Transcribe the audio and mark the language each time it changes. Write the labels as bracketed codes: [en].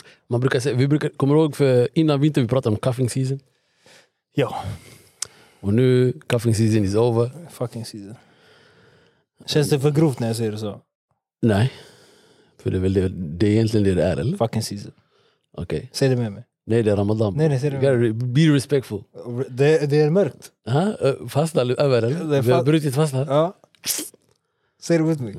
[sv] Man brukar säga, kommer du ihåg för innan vintern vi pratade om cuffing season? Ja. Och nu, [en] cuffing season is over. Fucking season. [sv] Känns det för grovt när jag säger det så? Nej. För det är väl det, det är egentligen det är, eller? [en] Fucking season. [sv] Okej. Säg det med mig. Nej, det är Ramadan. Nej, nej, det är... [en] Be respectful. [sv] Det är mörkt. Ha? Fasta över, eller? Vi har brutit fasta. Ja. [en] Say it with me.